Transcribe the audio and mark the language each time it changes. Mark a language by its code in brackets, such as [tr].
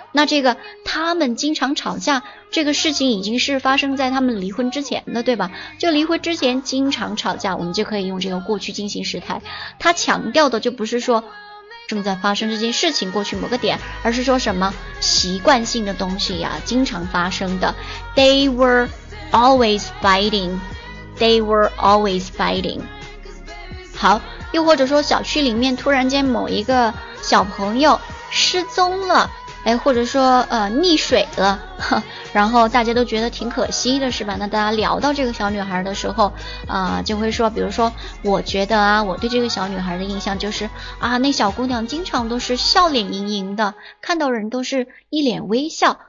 [zh] 那这个他们经常吵架这个事情已经是发生在他们离婚之前的，对吧？就离婚之前经常吵架，我们就可以用这个过去进行时态。他强调的就不是说正在发生这件事情过去某个点，而是说什么习惯性的东西呀、啊，经常发生的。 [en] They were always fighting， They were always fighting。 [zh] 好，又或者说小区里面突然间某一个小朋友失踪了，哎，或者说溺水了，然后大家都觉得挺可惜的，是吧？那大家聊到这个小女孩的时候就会说，比如说我觉得啊，我对这个小女孩的印象就是啊，那小姑娘经常都是笑脸盈盈的，看到人都是一脸微笑。